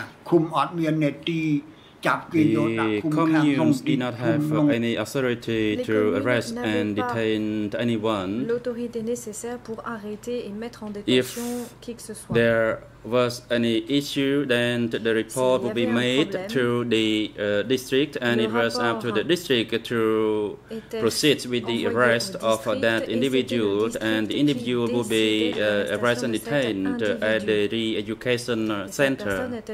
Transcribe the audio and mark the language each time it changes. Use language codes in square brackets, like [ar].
[en] The communes did not have any authority to arrest and detain anyone. [fr] L'autorité nécessaire pour arrêter et mettre en détention qui que ce soit. [en] If there was any issue, then the report would be made to the district, and it was up to the district to proceed with the arrest of that individual, and the individual would be arrested and detained at the re-education center.